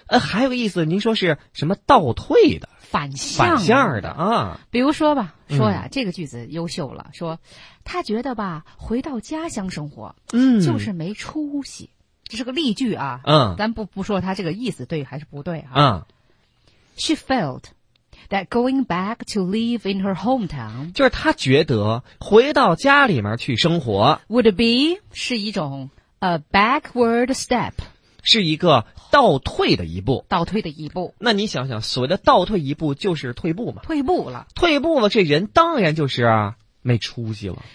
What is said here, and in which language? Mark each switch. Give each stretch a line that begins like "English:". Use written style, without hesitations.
Chinese: 还有个意思，您说是什么倒退的？反向的啊，比如说吧，说呀，嗯，这个句子优秀了，说他觉得吧，回到家乡生活，嗯，就是没出息，这是个例句啊，嗯，咱不说他这个意思对还是不对啊，嗯
English: ，She felt that going back to live in her hometown，
Chinese: 就是他觉得回到家里面去生活
English: ，would be
Chinese: 是一种
English: a backward step。
Chinese: 是一个倒退的一步，倒退的一步。那你想想，所谓的倒退一步就是退步嘛？退步了，退步了，这人当然就是，没出息了。